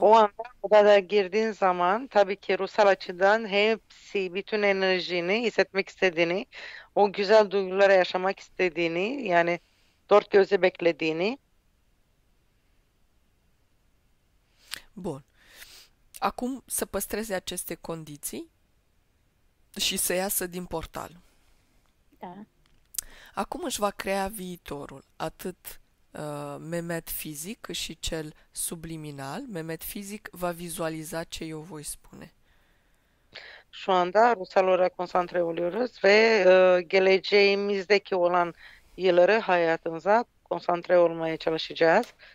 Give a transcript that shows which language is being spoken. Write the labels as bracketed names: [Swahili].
[Turkish] O andra girdin zaman tabii ki ruhsal açıdan hepsi bütün enerjini hissetmek istediğini, o güzel duyguları yaşamak istediğini, yani dört gözle beklediğini. [Romanian] Bun. Acum să păstreze aceste condiții și să iasă din portal. Da. Acum își va crea viitorul, atât Mehmet fizic și cel subliminal. Mehmet fizic va vizualiza ce eu voi spune. [Turkish] Şu anda ruhsal olarak konsantre oluyoruz ve geleceğimizdeki olan yılları hayatımıza konsantre olmaya çalışacağız.